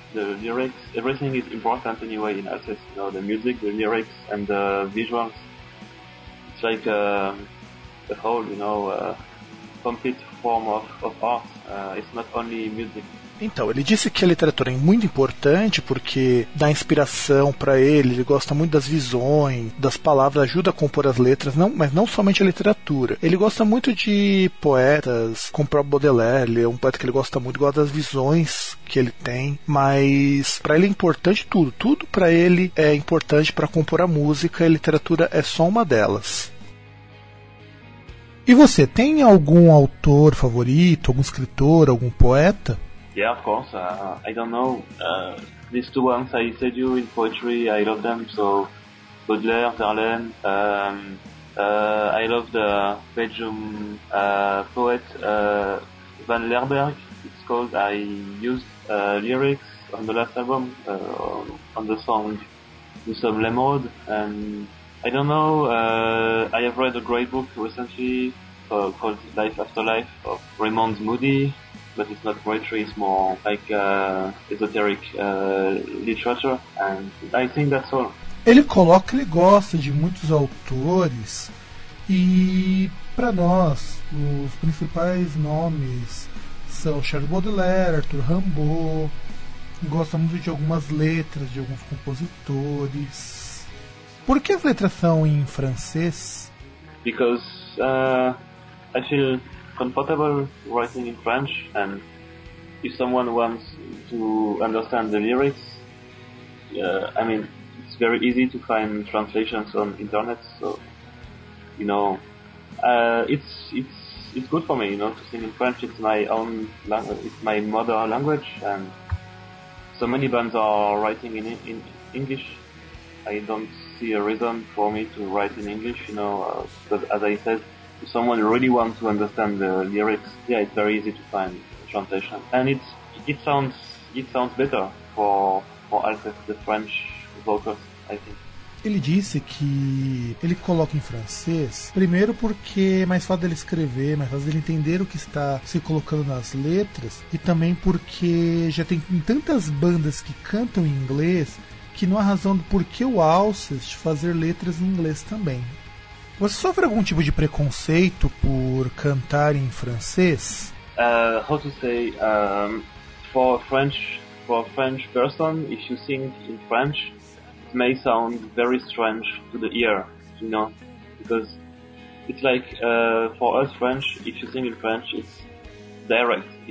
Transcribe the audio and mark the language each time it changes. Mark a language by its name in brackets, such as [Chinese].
[English] The lyrics, everything is important anyway in Alceste, you know, the music, the lyrics, and the visuals. It's like a whole, you know, complete form of art. It's not only music. [Portuguese] Então, ele disse que a literatura é muito importante porque dá inspiração para ele, ele gosta muito das visões, das palavras, ajuda a compor as letras, mas não somente a literatura. Ele gosta muito de poetas, como o próprio Baudelaire, ele é um poeta que ele gosta muito, gosta das visões que ele tem, mas para ele é importante tudo, tudo para ele é importante para compor a música, e a literatura é só uma delas. E você, tem algum autor favorito, algum escritor, algum poeta? [English] Yeah, of course. I don't know. These two ones I said you in poetry, I love them. So, Baudelaire, Verlaine. I love the Belgium poet Van Lerberg. It's called. I used lyrics on the last album on the song "Nous sommes les modes." And I don't know. I have read a great book recently called "Life After Life" of Raymond Moody. But it's not poetry, it's more like esoteric literature, and I think that's all. [Portuguese] Ele coloca que ele gosta de muitos autores, e para nós, os principais nomes são Charles Baudelaire, Arthur Rimbaud. Gosta muito de algumas letras de alguns compositores. Por que as letras são em francês? [English] Because I feel comfortable writing in French, and if someone wants to understand the lyrics, I mean, it's very easy to find translations on internet. So, you know, it's good for me, you know, to sing in French. It's my own language, it's my mother language, and so many bands are writing in English. I don't see a reason for me to write in English, you know, but as I said, if someone really wants to understand the lyrics, yeah, it's very easy to find translation. And it sounds better for access the French vocals, I think. [Portuguese] Ele disse que ele coloca em francês, primeiro porque é mais fácil dele escrever, mais fácil dele entender o que está se colocando nas letras, e também porque já tem tantas bandas que cantam em inglês que não há razão do porquê o Alcest fazer letras em inglês também. Você sofre algum tipo de preconceito por cantar em francês? [English] How to say? For a French person, if you sing in French, it may sound very strange to the ear, you know? Because it's like, for us French, if you sing in French, it's direct.